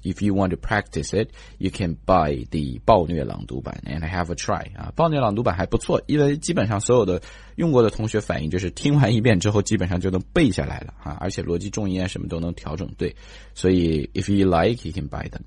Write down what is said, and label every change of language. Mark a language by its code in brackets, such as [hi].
[en] If you want to practice it, you can buy the 暴虐朗读版 and have a try 啊。 [zh] 暴虐朗读版还不错，因为基本上所有的用过的同学反映就是听完一遍之后，基本上就能背下来了啊，而且逻辑重音什么都能调整对。所以 [en] if you like, you can buy them.